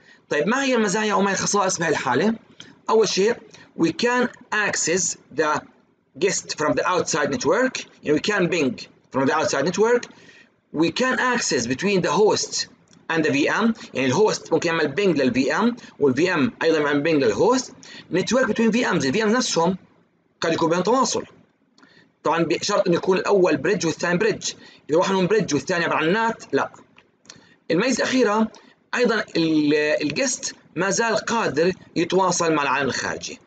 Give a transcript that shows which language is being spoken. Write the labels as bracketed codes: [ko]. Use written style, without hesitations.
[ar] طيب ما هي المزايا او ما هي الخصائص بهالحاله؟ اول شيء [en] We can access the guest from the outside network, يعني we can ping from the outside network. We can access between the host and the VM. [ar] يعني ال host ممكن يعمل ping لل VM وال VM أيضا يعمل ping لل host. [en] Network between VMs. [ar] ال VM نفسهم قد يكون بينهم تواصل. طبعا بشرط إنه يكون الأول bridge والثاني bridge. إذا واحد منهم bridge والثاني عبارة عن NAT لا. الميزة الأخيرة أيضا ال guest ما زال قادر يتواصل مع العالم الخارجي.